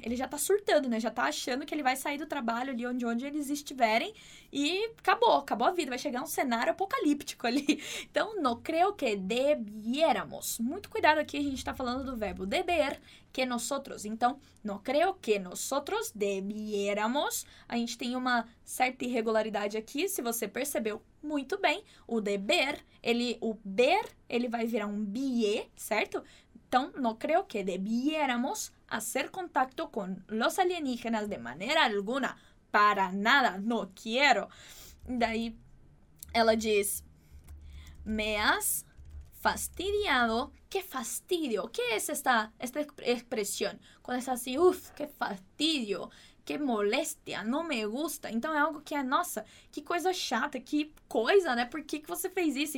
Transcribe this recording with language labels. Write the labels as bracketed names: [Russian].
[Portuguese] Ele já tá surtando, né? Já tá achando que ele vai sair do trabalho ali onde eles estiverem e acabou a vida. Vai chegar um cenário apocalíptico ali. Então, no creo que debiéramos. Muito cuidado aqui, a gente tá falando do verbo deber, que nosotros. Então, no creo que nosotros debiéramos. A gente tem uma certa irregularidade aqui, se você percebeu. Muito bem, o deber, ele vai virar um bie, certo? [Spanish] Então, no creo que debiéramos hacer contacto con los alienígenas de maneira alguna, para nada, no quiero. [Portuguese] Daí, ela diz, me has fastidiado, que fastidio, que é esta expressão? Quando está assim, uff, que fastidio. Que moléstia, não me gusta. Então, é algo que é, nossa, que coisa chata, que coisa, né? Por que você fez isso?